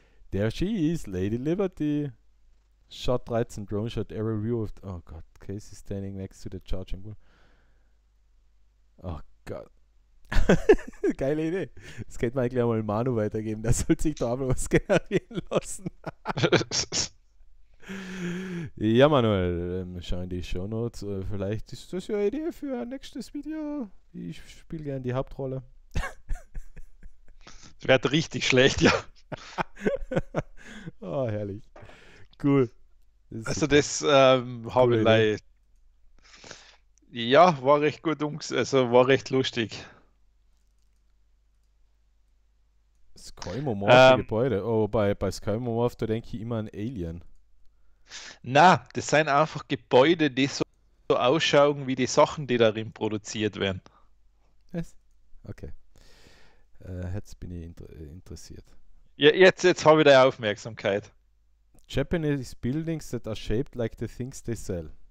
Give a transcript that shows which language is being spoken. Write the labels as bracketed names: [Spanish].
[English] There she is, Lady Liberty. Shot 13, Drone Shot, Error Reviewed. [German] Oh Gott, [English] Casey standing next to the charging bull. [German] Oh Gott. Geile Idee. Das könnte man eigentlich auch mal Manu weitergeben. Der soll sich da aber was generieren lassen. Ja, Manuel, schauen die Shownotes. Vielleicht ist das ja eine Idee für ein nächstes Video. Ich spiele gerne die Hauptrolle. Das wird richtig schlecht, ja. Oh, herrlich. Cool. Das ist Also super. das Coole Idee. habe ich. Ja, war recht gut umgesetzt, also war recht lustig. Skymomorphe Gebäude. Oh, bei Skymomorph, da denke ich immer an Alien. Na, das sind einfach Gebäude, die so ausschauen wie die Sachen, die darin produziert werden. Okay. Jetzt bin ich interessiert. Ja, jetzt habe ich deine Aufmerksamkeit. [English] Japanese buildings that are shaped like the things they sell.